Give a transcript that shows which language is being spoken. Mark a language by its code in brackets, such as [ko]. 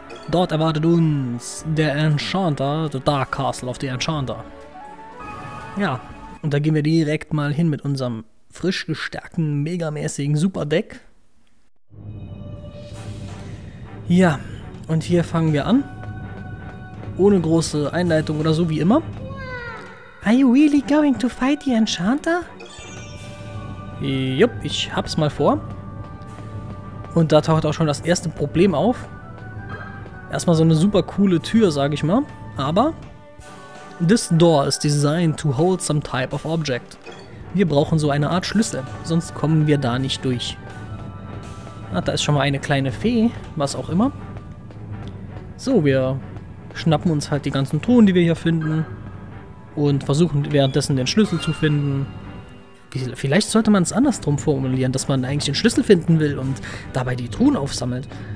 [de] Dort erwartet uns der Enchanter, the Dark Castle of the Enchanter. Ja, und da gehen wir direkt mal hin mit unserem frisch gestärkten, megamäßigen Superdeck. Ja, und hier fangen wir an. Ohne große Einleitung oder so, wie immer. [en] Are you really going to fight the Enchanter? [de] Jupp, ich hab's mal vor. Und da taucht auch schon das erste Problem auf. Erstmal so eine super coole Tür, sag ich mal. Aber [en] this door is designed to hold some type of object. [de] Wir brauchen so eine Art Schlüssel, sonst kommen wir da nicht durch. Ah, da ist schon mal eine kleine Fee, was auch immer. So, wir schnappen uns halt die ganzen Truhen, die wir hier finden. Und versuchen währenddessen den Schlüssel zu finden. Vielleicht sollte man es andersrum formulieren, dass man eigentlich den Schlüssel finden will und dabei die Truhen aufsammelt.